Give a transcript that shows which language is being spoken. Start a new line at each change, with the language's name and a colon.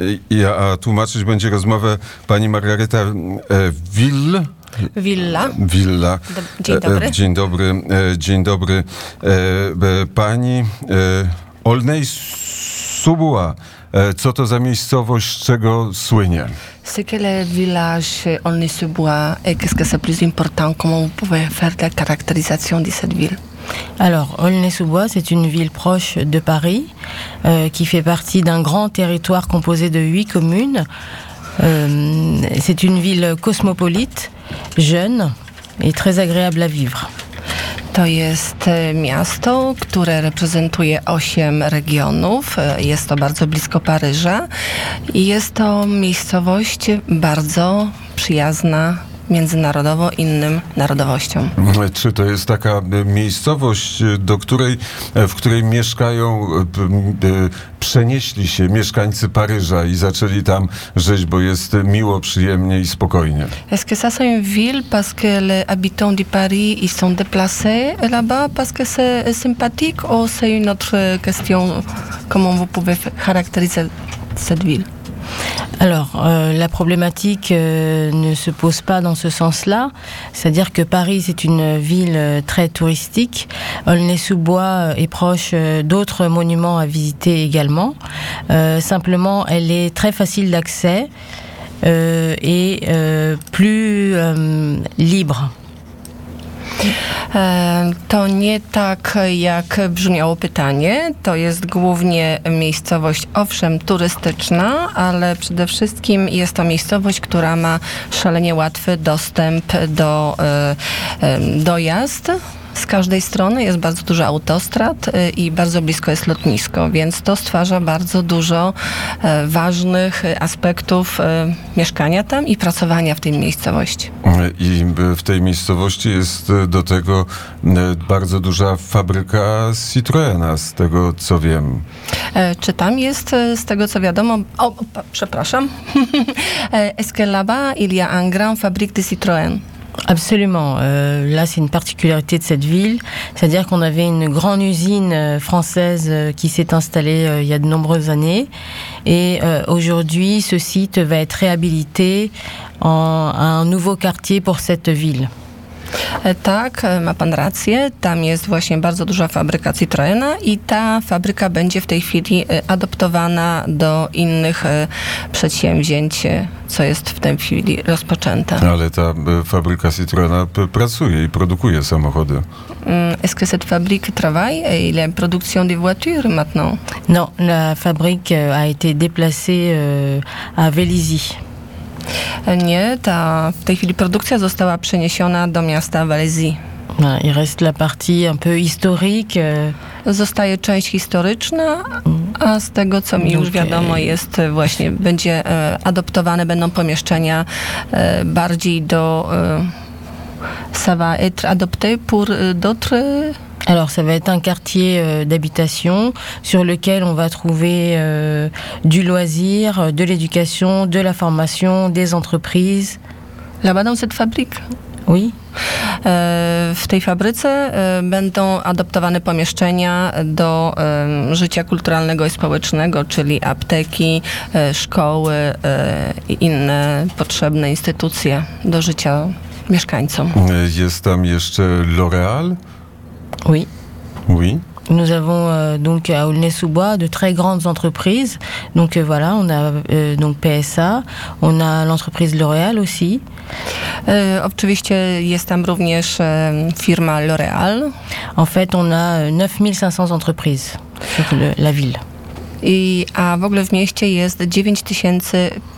Polish: Ja tłumaczyć będzie rozmowę pani Margareta Ville. Villa. Dzień dobry. Pani Olney Soubois. Co to za miejscowość, z czego słynie?
French: C'est quel village Olney Soubois et qu'est-ce que c'est plus important? Comment vous pouvez faire la caractérisation de cette ville? Alors, Aulnay-sous-Bois, c'est une ville proche de Paris, qui fait partie d'un grand territoire composé de 8 communes. C'est une ville cosmopolite, jeune et très agréable à vivre.
Polish: To jest miasto, które reprezentuje 8 regionów. Jest to bardzo blisko Paryża i jest to miejscowość bardzo przyjazna międzynarodowo innym narodowościom. Czy to jest taka miejscowość, do której, w której mieszkają, przenieśli się mieszkańcy Paryża i zaczęli tam żyć, bo jest miło, przyjemnie i spokojnie?
French: Est-ce que ça c'est une ville parce que les habitants de Paris y sont déplacés là-bas parce que c'est sympathique ou c'est une autre question? Comment vous pouvez caractériser cette ville? Alors, la problématique ne se pose pas dans ce sens-là, c'est-à-dire que Paris, c'est une ville très touristique. Aulnay-sous-Bois est proche d'autres monuments à visiter également. Simplement, elle est très facile d'accès et plus libre.
Polish: To nie tak, jak brzmiało pytanie. To jest głównie miejscowość, owszem, turystyczna, ale przede wszystkim jest to miejscowość, która ma szalenie łatwy dostęp do dojazd. Z każdej strony jest bardzo dużo autostrad i bardzo blisko jest lotnisko, więc to stwarza bardzo dużo ważnych aspektów mieszkania tam i pracowania w tej miejscowości. I w tej miejscowości jest do tego bardzo duża fabryka Citroena, z tego co wiem. Czy tam jest, z tego co wiadomo, przepraszam,
French: est-ce que là-bas il y a un grand fabrique de Citroën? Absolument. Là, c'est une particularité de cette ville. C'est-à-dire qu'on avait une grande usine française qui s'est installée il y a de nombreuses années. Et aujourd'hui, ce site va être réhabilité en un nouveau quartier pour cette ville.
Polish: Tak, ma pan rację. Tam jest właśnie bardzo duża fabryka Citroena i ta fabryka będzie w tej chwili adoptowana do innych przedsięwzięć, co jest w tej chwili rozpoczęte. Ale ta fabryka Citroena pracuje i produkuje samochody.
French: Est-ce que cette fabrique travaille et la production de voitures maintenant? Non, la fabrique a été déplacée à Vélizy.
Polish: Nie, ta w tej chwili produkcja została przeniesiona do miasta Vélizy.
French: I reste la partie un peu historique.
Polish: Zostaje część historyczna, a z tego co mi już wiadomo jest właśnie, będzie adoptowane, będą pomieszczenia bardziej do
French: ça va être adopté pour d'autres. Alors, ça va être un quartier d'habitation sur lequel on va trouver du loisir, de l'éducation, de la formation, des entreprises. Là-bas, dans cette fabrique? Oui.
Polish: W tej fabryce będą adoptowane pomieszczenia do życia kulturalnego i społecznego, czyli apteki, szkoły i inne potrzebne instytucje do życia mieszkańcom. Jest tam jeszcze L'Oréal?
French: Oui. Oui. Nous avons donc à Aulnay-sous-Bois de très grandes entreprises. Donc voilà, on a donc PSA, on a l'entreprise L'Oréal aussi.
Polish: Oczywiście jest tam również firma L'Oréal.
French: En fait, on a 9500 entreprises sur la ville. Et à
Polish: w ogóle w mieście jest 9500?